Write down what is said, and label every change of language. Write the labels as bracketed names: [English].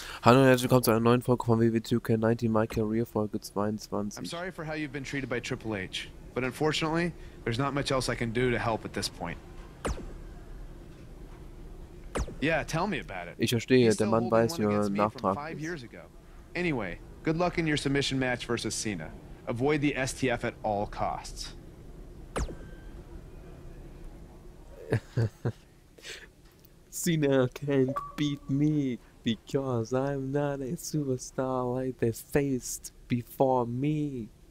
[German] Hallo und herzlich willkommen zu einer neuen Folge von WWE2K19, My Career, Folge 22. [English] I'm sorry for how you've been treated by Triple H, but unfortunately, there's not much else I can do to help at this point. Yeah, tell me about it. [German] Ich verstehe, der Mann weiß, wie er nachtragt. [English] Anyway, good luck in your submission match versus Cena. Avoid the STF at all costs. Cena can't beat me. Because I'm not a superstar like they faced before me.